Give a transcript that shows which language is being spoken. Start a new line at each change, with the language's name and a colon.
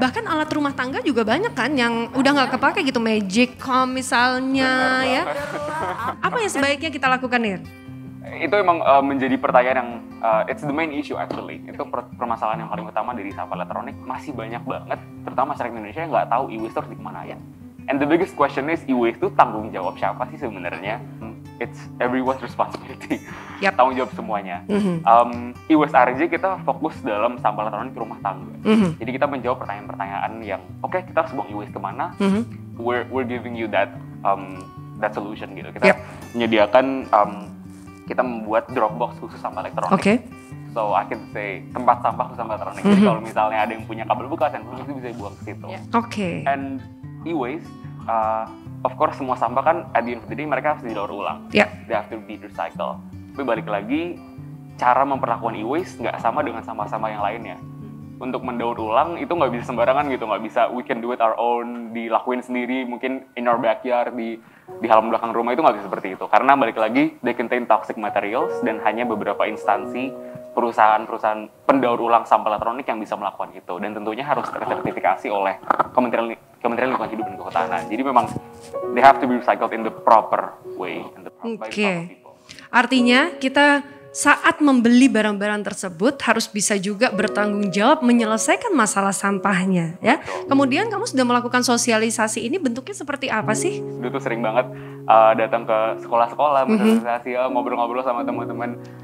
Indonesian: Bahkan alat rumah tangga juga banyak kan yang udah nggak kepake gitu, Magic Com misalnya, ya. Apa ya sebaiknya kita lakukan, Nir? Itu emang menjadi pertanyaan yang
English: it's the main issue actually.
Indonesian: Itu permasalahan yang paling utama dari sampah elektronik, masih banyak banget, terutama masyarakat Indonesia yang nggak tahu e-waste harus dikemanain.
English: Yeah. And the biggest question is, e-waste
Indonesian: itu tanggung jawab siapa sih sebenarnya?
English: It's everyone's responsibility. Yep.
Indonesian: Tanggung jawab semuanya. E-waste RJ kita fokus dalam sampah elektronik ke rumah tangga. Jadi kita menjawab pertanyaan-pertanyaan yang, oke, kita harus buang e-waste kemana?
English: We're giving you that that solution gitu.
Indonesian: Kita menyediakan, kita membuat dropbox khusus sampah elektronik.
English: Okay. So I can say
Indonesian: tempat sampah khusus sampah elektronik. Jadi kalau misalnya ada yang punya kabel bekas, dan itu bisa buang ke situ.
English: Yeah. Oke. Okay. And e-waste, of course
Indonesian: semua sampah kan
English: at the end of the day
Indonesian: mereka harus didaur ulang.
English: Yeah. They have to be recycled.
Indonesian: Tapi balik lagi, cara memperlakukan e-waste nggak sama dengan sampah-sampah yang lainnya. Untuk mendaur ulang itu nggak bisa sembarangan gitu, nggak bisa
English: we can do it our own,
Indonesian: dilakuin sendiri mungkin
English: in our backyard,
Indonesian: di halaman belakang rumah, itu nggak bisa seperti itu. Karena balik lagi,
English: they contain toxic materials
Indonesian: dan hanya beberapa instansi, perusahaan-perusahaan pendaur ulang sampah elektronik yang bisa melakukan itu. Dan tentunya harus tersertifikasi oleh Kementerian Lingkungan Hidup dan Kehutanan. Jadi memang
English: they have to be recycled in the proper way. Okay.
Indonesian: Artinya kita saat membeli barang-barang tersebut harus bisa juga bertanggung jawab menyelesaikan masalah sampahnya, ya. Kemudian kamu sudah melakukan sosialisasi ini bentuknya seperti apa sih? Dulu tuh sering banget datang ke sekolah-sekolah, bersosialisasi, ngobrol-ngobrol sama teman-teman.